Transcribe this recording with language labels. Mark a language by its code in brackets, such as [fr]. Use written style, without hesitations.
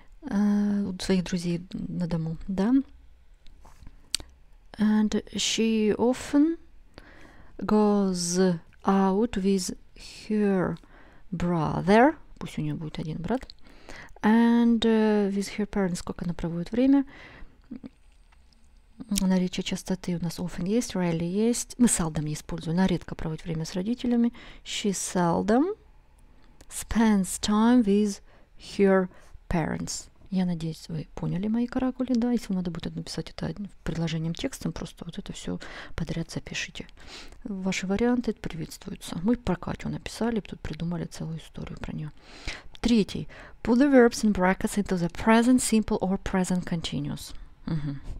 [ru] У своих друзей на дому, да? [en] And she often goes out with her brother. [ru] Пусть у нее будет один брат. [en] And with her parents, [ru] сколько она проводит время. Наличие частоты у нас often есть, rarely есть. Мы seldom используем, она редко проводит время с родителями. [en] She seldom spends time with her parents. [ru] Я надеюсь, вы поняли мои каракули, да? Если вам надо будет написать это предложением текстом, просто вот это все подряд запишите. Ваши варианты приветствуются. Мы про Катю написали, тут придумали целую историю про нее. Третий. [en] Put the verbs in brackets into the present simple or present continuous. Угу.